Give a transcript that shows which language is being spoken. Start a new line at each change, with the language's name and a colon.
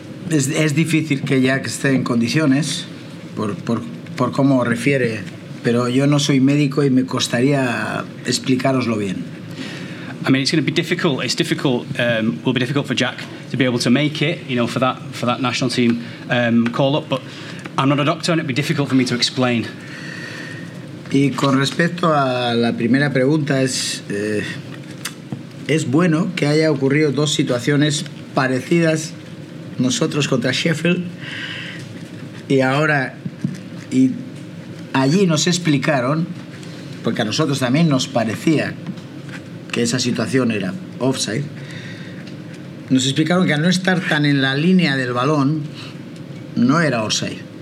Spanish: Es difícil que Jack esté en condiciones, por cómo refiere... Pero yo no soy médico y me costaría explicaroslo bien.
English: I mean, it's going to be difficult. It's difficult. Will be difficult for Jack to be able to make it, you know, for that national team call up. But I'm not a doctor, and it'd be difficult for me to explain.
Spanish: Y con respecto a la primera pregunta, es bueno que haya ocurrido dos situaciones parecidas, nosotros contra Sheffield y ahora y. Allí nos explicaron, porque a nosotros también nos parecía que esa situación era offside, nos explicaron que al no estar tan en la línea del balón, no era offside.